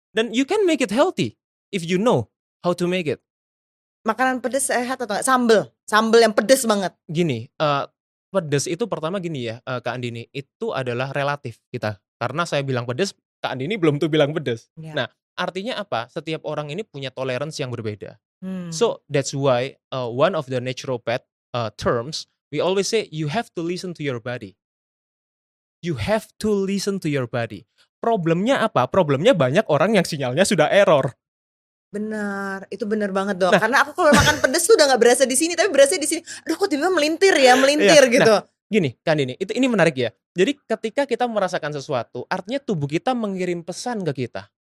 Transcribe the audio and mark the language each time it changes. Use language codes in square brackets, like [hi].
[en] Dan you can make it healthy, if you know how to make it. [id] Makanan pedes sehat atau enggak? Sambal, sambal yang pedes banget. Gini, pedes itu pertama gini ya, Kak Andini, itu adalah relatif kita. Karena saya bilang pedes, Kak Andini belum tuh bilang pedes. Yeah. Nah, artinya apa? Setiap orang ini punya tolerance yang berbeda. [en] So that's why one of the naturopath terms we always say you have to listen to your body. You have to listen to your body. [id] Problemnya apa? Problemnya banyak orang yang sinyalnya sudah error. Benar, itu benar banget dong. Nah, karena aku kalau makan pedes tuh udah nggak berasa di sini, tapi berasa di sini. Aduh kok tiba-tiba melintir ya, melintir iya, gitu. Nah, gini kan ini, itu ini menarik ya. Jadi ketika kita merasakan sesuatu, artinya tubuh kita mengirim pesan ke kita.